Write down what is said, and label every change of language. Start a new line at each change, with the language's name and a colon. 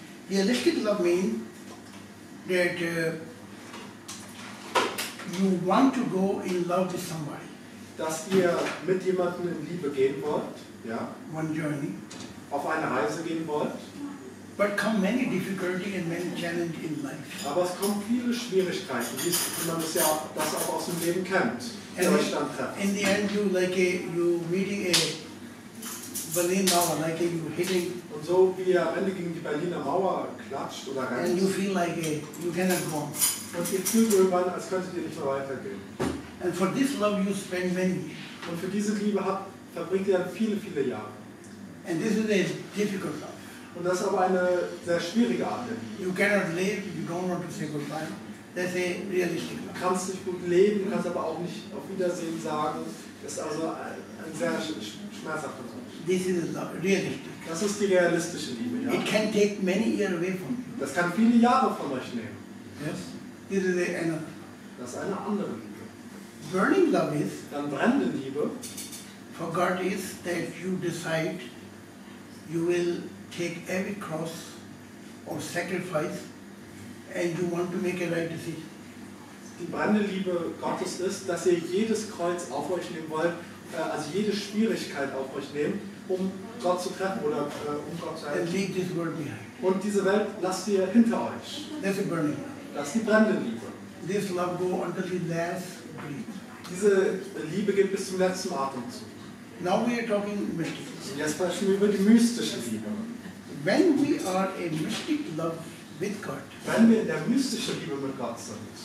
English: Realistic love means that you want to go in love with somebody.
German: Dass ihr mit jemandem in Liebe gehen wollt, ja,
English: one journey,
German: auf eine Reise gehen wollt,
English: but come many difficulties and many challenges in life.
German: Aber es kommen viele Schwierigkeiten, wie man das ja das auch aus dem Leben kennt, in euch dann treffen.
English: In the end you meeting a Berlin Mauer, like you hitting.
German: Und so wie er am Ende gegen die Berliner Mauer klatscht oder rennt.
English: And you feel like you cannot go.
German: Und ihr fühlt irgendwann, als könntet ihr nicht mehr weitergehen.
English: And for this love you spend many.
German: Und für diese Liebe verbringt ihr dann viele, viele Jahre.
English: And this is a difficult love.
German: Und das ist aber eine sehr schwierige Art.
English: You cannot live if you don't want to say goodbye. That's a realistic love.
German: Du kannst nicht gut leben, du kannst aber auch nicht auf Wiedersehen sagen. Das ist also ein sehr schmerzhafter Love.
English: This is realistic.
German: Das ist die realistische Liebe, ja.
English: It can take many years away from you.
German: Das kann viele Jahre von euch nehmen.
English: Yes. This is another.
German: Das ist eine andere Liebe.
English: Burning love is.
German: Dann brennende Liebe.
English: For God is that you decide you will take every cross or sacrifice and you want to make a right decision.
German: Die brennende Liebe Gottes ist, dass ihr jedes Kreuz auf euch nehmen wollt, also jede Schwierigkeit auf euch nehmt, um Gott zu treffen oder um Gott zu helfen.
English: And leave this world behind.
German: Und diese Welt lasst ihr hinter euch.
English: That's a burning love.
German: Das ist die brennende Liebe.
English: This love go until the last breath.
German: Diese Liebe geht bis zum letzten Atemzug.
English: Now we are talking mystic.
German: Jetzt sprechen wir über die mystische Liebe.
English: When we are a mystic love with God.
German: Wenn wir in der mystischen Liebe mit Gott sind.